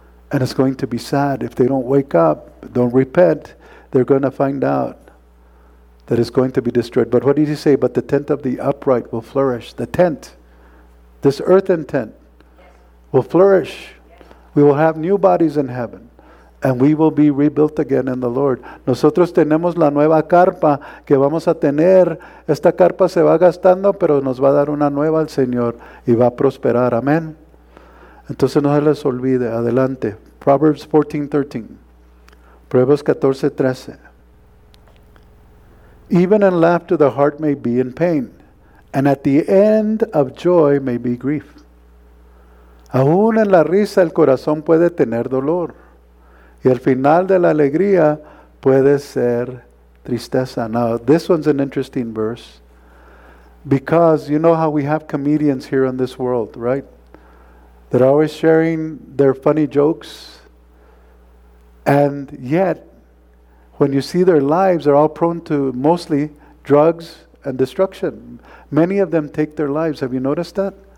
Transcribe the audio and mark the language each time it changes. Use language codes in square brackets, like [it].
[en] And it's going to be sad. If they don't wake up, don't repent, they're going to find out that is going to be destroyed. But what did he say? But the tent of the upright will flourish. The tent, this earthen tent, will flourish. We will have new bodies in heaven. And we will be rebuilt again in the Lord. [es] Nosotros tenemos la nueva carpa que vamos a tener. Esta carpa se va gastando, pero nos va a dar una nueva al Señor. Y va a prosperar. Amén. Entonces no se les olvide. Adelante. [en] Proverbs 14, 13. [es] Proverbios 14, 13. [en] Even in laughter, the heart may be in pain, and at the end of joy may be grief. [es] Aún en la risa, el corazón puede tener dolor, y al final de la alegría puede ser tristeza. [en] Now, this one's an interesting verse, because you know how we have comedians here in this world, right? They're always sharing their funny jokes, and yet, when you see their lives, they're all prone to mostly drugs and destruction. Many of them take their lives. Have you noticed that?